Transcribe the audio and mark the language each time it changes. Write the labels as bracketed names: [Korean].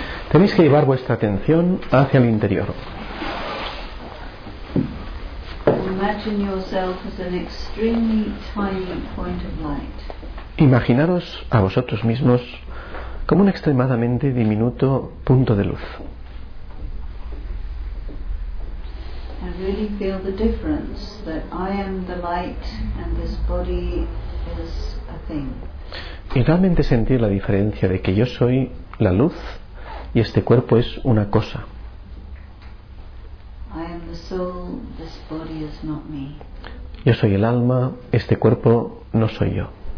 [Spanish] Tenéis que llevar vuestra atención hacia el interior. [English] Imagine yourself as an extremely tiny point of light. [Spanish] Imaginaros a vosotros mismos como un extremadamente diminuto punto de luz. [English] I really feel the difference that I am the light and this body is a thing. [Spanish] Y realmente sentir la diferencia de que yo soy la luz y este cuerpo es una cosa. [English] I am the soul, this body is not me. [Spanish] Yo soy el alma, este cuerpo no soy yo.